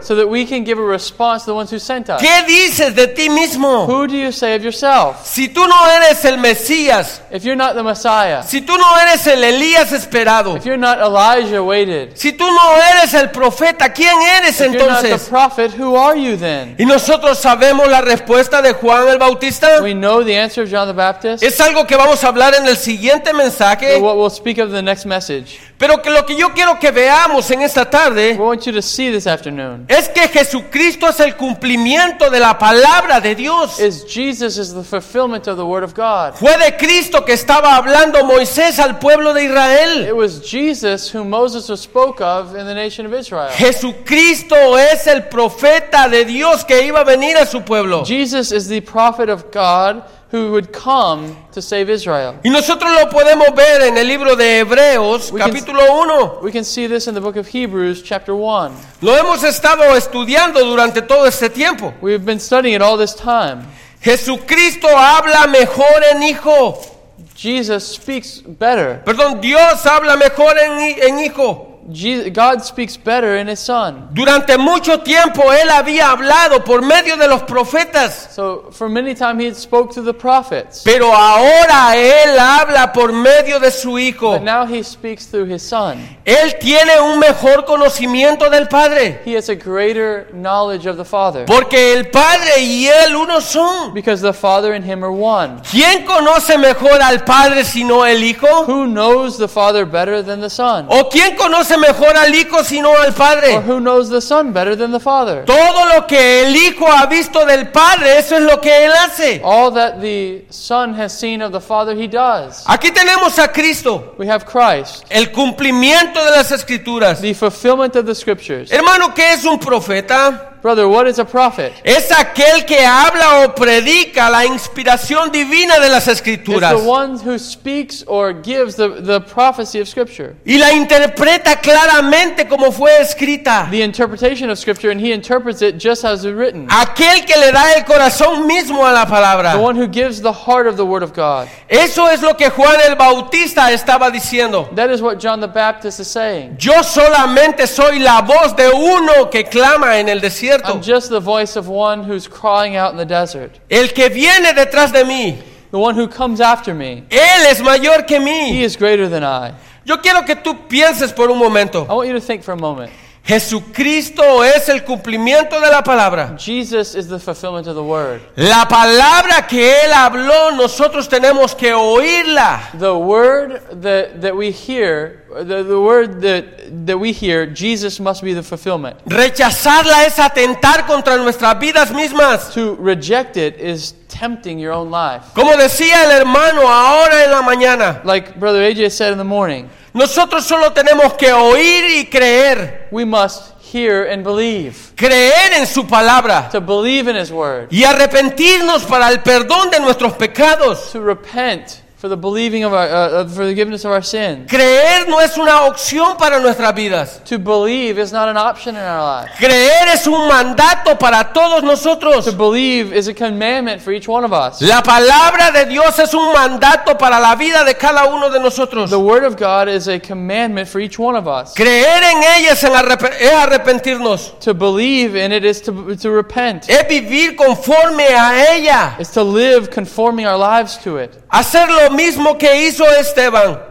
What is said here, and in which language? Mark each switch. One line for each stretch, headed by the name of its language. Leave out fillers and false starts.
English: So that we can give a response to the ones who sent us.
Spanish: ¿Qué dices de ti mismo?
English: Who do you say of yourself?
Spanish: Si tú no eres el Mesías.
English: If you're not the Messiah.
Spanish: Si tú no eres el Elías esperado.
English: If you're not Elijah waited.
Spanish: Si tú no eres el profeta, ¿quién eres entonces?
English: If you're not the prophet, who are you then?
Spanish: Y nosotros sabemos la respuesta de Juan el Bautista.
English: We know the answer of John the Baptist.
Spanish: Es algo que vamos a hablar en el siguiente mensaje.
English: But what we'll speak of the next message.
Spanish: Pero que lo que yo quiero que veamos en esta tarde,
English: we want you to see this afternoon,
Spanish: es que Jesucristo es el cumplimiento de la palabra de Dios.
English: Is Jesus is the fulfillment of the word of God.
Spanish: Fue de Cristo que estaba hablando Moisés al pueblo de Israel.
English: It was Jesus whom Moses spoke of in the nation of Israel.
Spanish: Jesucristo es el profeta de Dios que iba a venir a su pueblo.
English: Jesus is the prophet of God who would come to save Israel.
Spanish: Y nosotros lo podemos ver en el libro de Hebreos, capítulo 1.
English: We can see this in the book of Hebrews, chapter 1.
Spanish: Lo hemos estado estudiando durante todo este tiempo.
English: We've been studying it all this time.
Spanish: Jesucristo habla mejor en hijo.
English: Jesus speaks better.
Spanish: Perdón, Dios habla mejor en hijo.
English: God speaks better in his son.
Spanish: Durante mucho tiempo él había hablado por medio de los profetas.
English: So for many times he had spoke to the prophets.
Spanish: Pero ahora él habla por medio de su hijo.
English: But now he speaks through his son.
Spanish: Él tiene un mejor conocimiento del Padre.
English: He has a greater knowledge of the Father.
Spanish: Porque el Padre y él uno son.
English: Because the Father and him are one.
Spanish: ¿Quién conoce mejor al Padre sino el hijo?
English: Who knows the Father better than the Son?
Spanish: ¿O quién conoce mejor al hijo sino al padre?
English: Or who knows the son better than the father?
Spanish: Todo lo que el hijo ha visto del padre, eso es lo que él hace.
English: All that the son has seen of the father, he does.
Spanish: Aquí tenemos a Cristo.
English: We have Christ.
Spanish: El cumplimiento de las escrituras.
English: The fulfillment of the scriptures.
Spanish: Hermano, ¿qué es un profeta?
English: Brother, what is a prophet?
Spanish: Es aquel que habla o predica la inspiración divina de las Escrituras.
English: It's the one who speaks or gives the prophecy of Scripture.
Spanish: Y la interpreta claramente como fue escrita.
English: The interpretation of Scripture, and he interprets it just as it's written.
Spanish: Aquel que le da el corazón mismo a la palabra.
English: The one who gives the heart of the Word of God.
Spanish: Eso es lo que Juan el Bautista estaba diciendo.
English: That is what John the Baptist is saying.
Spanish: Yo solamente soy la voz de uno que clama en el desierto.
English: I'm just the voice of one who's crying out in the desert.
Spanish: El que viene detrás de mí.
English: The one who comes after me.
Spanish: Él es mayor que mí.
English: He is greater than I.
Spanish: Yo quiero que tú pienses por un momento.
English: I want you to think for a moment.
Spanish: Jesucristo es el cumplimiento de la palabra.
English: Jesus is the fulfillment of the word.
Spanish: La palabra que Él habló, nosotros tenemos que oírla.
English: The word that we hear, the word that we hear, Jesus must be the fulfillment.
Spanish: Rechazarla es atentar contra nuestras vidas mismas.
English: To reject it is tempting your own life.
Spanish: Como decía el hermano ahora en la mañana.
English: Like Brother AJ said in the morning.
Spanish: Nosotros solo tenemos que oír y creer.
English: We must hear and believe.
Spanish: Creer en su palabra.
English: To believe in his word.
Spanish: Y arrepentirnos para el perdón de nuestros pecados.
English: To repent for the believing of for the forgiveness of our sins.
Spanish: Creer no es una opción para nuestras vidas.
English: To believe is not an option in our lives.
Spanish: Creer es un mandato para todos nosotros.
English: To believe is a commandment for each one of us.
Spanish: La palabra de Dios es un mandato para la vida de cada uno de nosotros.
English: The word of God is a commandment for each one of us.
Spanish: Creer en ella es arrepentirnos.
English: To believe in it is to repent.
Spanish: Es vivir conforme a ella.
English: Is to live conforming our lives to it.
Spanish: Hacer lo mismo que hizo Esteban.